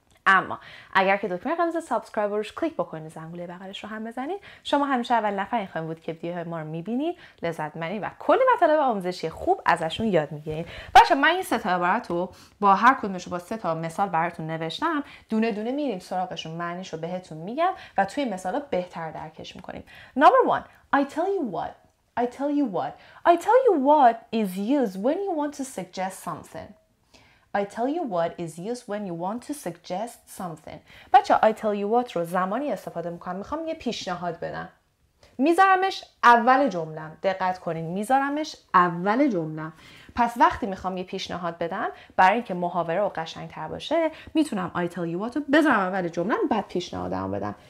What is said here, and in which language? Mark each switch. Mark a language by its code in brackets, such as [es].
[fa] اما اگر که دکمه قرمز سابسکرایب روش کلیک بکنید، زنگوله بغلش رو هم بزنید، شما همیشه اول نفر این خواهیم بود که ویدیوهای ما رو میبینید، لذت منید و کلی مطالب آموزشی خوب ازشون یاد میگیرید. باشه، من این سه تا عبارت رو با هر کدومش با سه تا مثال براتون نوشتم، دونه دونه میریم سراغشون، معنیشو بهتون میگم و توی مثالا بهتر درکش میکنیم. [en] Number one, I tell you what. I tell you what. I tell you what is used when you want to suggest something. I tell you what is used when you want to suggest something. [fa] بچه ها، [en] I tell you what [fa] رو زمانی استفاده میکنم میخوام یه پیشنهاد بدم. میذارمش اول جملم. دقت کنین، میذارمش اول جملم. پس وقتی میخوام یه پیشنهاد بدم، برای اینکه محاوره و قشنگ تر باشه، میتونم [en] I tell you what [fa] رو بذارم اول جملم، بعد پیشنهادم بدم.